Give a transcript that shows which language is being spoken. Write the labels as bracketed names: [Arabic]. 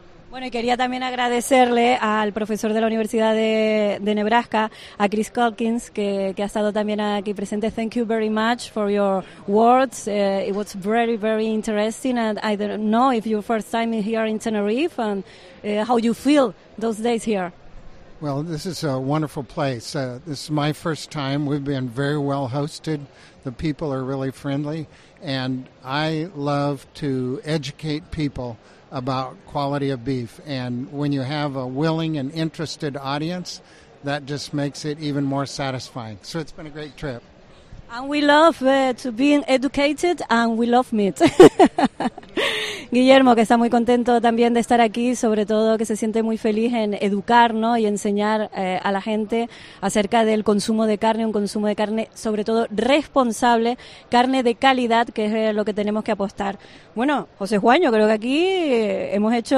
[Spanish] Bueno, y quería también agradecerle al profesor de la Universidad de Nebraska, a Chris Calkins, que ha estado también aquí presente. [English] Thank you very much for your words. It was very, very interesting. And I don't know if your first time here in Tenerife and how you feel those days here. Well, this is a wonderful place. This is my first time. We've been very well hosted. The people are really friendly. And I love to educate people about quality of beef. And when you have a willing and interested audience, that just makes it even more satisfying. So it's been a great trip. And we love to be educated and we love meat. [Spanish] Guillermo, que está muy contento también de estar aquí, sobre todo que se siente muy feliz en educar, ¿no?, y enseñar a la gente acerca del consumo de carne, un consumo de carne sobre todo responsable, carne de calidad, que es lo que tenemos que apostar. Bueno, José Juan, yo creo que aquí hemos hecho...